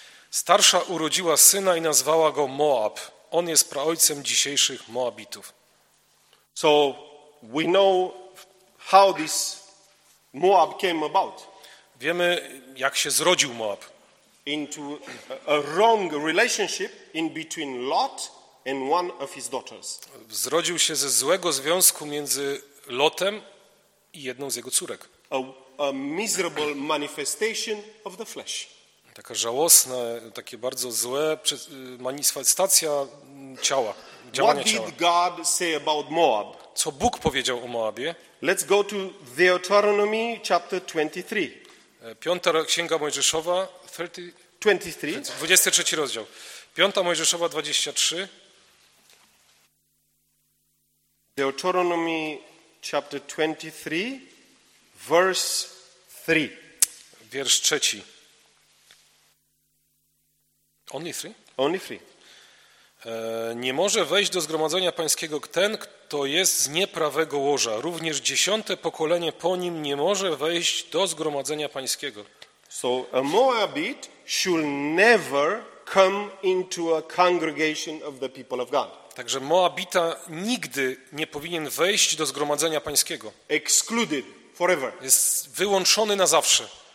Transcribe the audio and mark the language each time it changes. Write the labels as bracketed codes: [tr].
[pl] Starsza urodziła syna i nazwała go Moab. On jest praojcem dzisiejszych Moabitów. [en] So we know how this Moab came about. [pl] Wiemy, jak się zrodził Moab. [en] Into a wrong relationship in between Lot and one of his daughters. [pl] Zrodził się ze złego związku między Lotem i jedną z jego córek. [en] A miserable manifestation of the flesh. [pl] Taka żałosna, takie bardzo złe manifestacja ciała, działania ciała. [en] What did God say about Moab? [pl] Co Bóg powiedział o Moabie? [en] Let's go to Deuteronomy chapter 23. [pl] Piąta Księga Mojżeszowa, 23 rozdział. Piąta Mojżeszowa, 23. [en] Deuteronomy chapter 23, verse 3. [pl] Wiersz trzeci. [en] Only three? Only three. [pl] Nie może wejść do zgromadzenia pańskiego ten, kto jest z nieprawego łoża. Również dziesiąte pokolenie po nim nie może wejść do zgromadzenia pańskiego. [en] So a Moabite should never come into a congregation of the people of God. [pl] Także Moabita nigdy nie powinien wejść do zgromadzenia pańskiego. [en] Excluded forever. [pl] Jest wyłączony na zawsze.